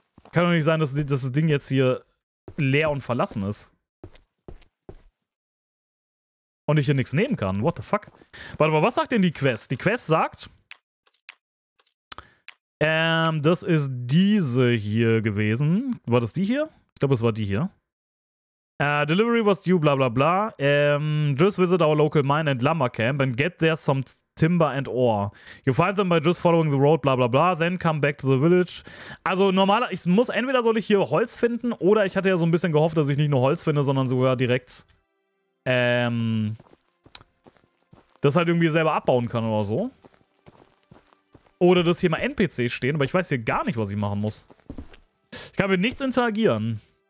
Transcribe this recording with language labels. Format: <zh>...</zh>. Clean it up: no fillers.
<de>Kann doch nicht sein, dass das Ding jetzt hier leer und verlassen ist. Und ich hier nichts nehmen kann.</de> <en>What the fuck?</en> <de>Warte mal, was sagt denn die Quest? Die Quest sagt, das ist diese hier gewesen. War das die hier? Ich glaube, es war die hier.</de> <en>Delivery was due,</en> <de>bla bla bla.</de> <en>Just visit our local mine and lumber camp and get there some timber and ore. You find them by just following the road, bla bla bla. Then come back to the village.</en> <de>Also normaler, entweder soll ich hier Holz finden oder ich hatte ja so ein bisschen gehofft, dass ich nicht nur Holz finde, sondern sogar direkt das halt irgendwie selber abbauen kann oder so. Oder dass hier mal NPCs stehen, aber ich weiß hier gar nicht, was ich machen muss. Ich kann mit nichts interagieren.</de>